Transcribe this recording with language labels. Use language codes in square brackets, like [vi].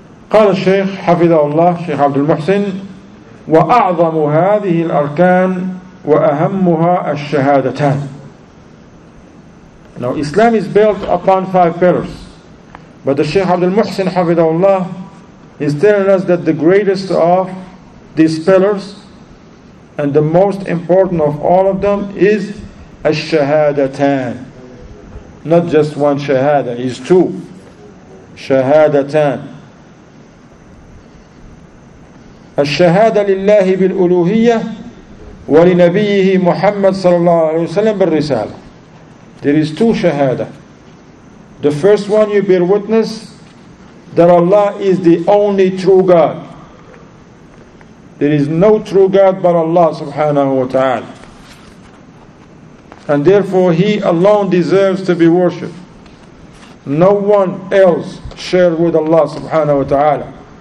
[ar] قال الشيخ حفظه الله شيخ عبد المحسن وأعظم هذه الأركان وأهمها الشهادتان. [en] Now Islam is built upon five pillars, but the Shaykh Abdul Muhsin [ar] حفظه الله [en] is telling us that the greatest of these pillars and the most important of all of them is الشهادتان. Not just one شهادة, it's two شهادتان. [ar] الشهادة لله بالألوهية ولنبيه محمد صلى الله عليه وسلم بالرسالة. [en] There is two شهادة. The first one, you bear witness that Allah is the only true God. There is no true God but Allah [ar] سبحانه وتعالى. [en] And therefore He alone deserves to be worshipped. No one else shared with Allah [ar] سبحانه وتعالى.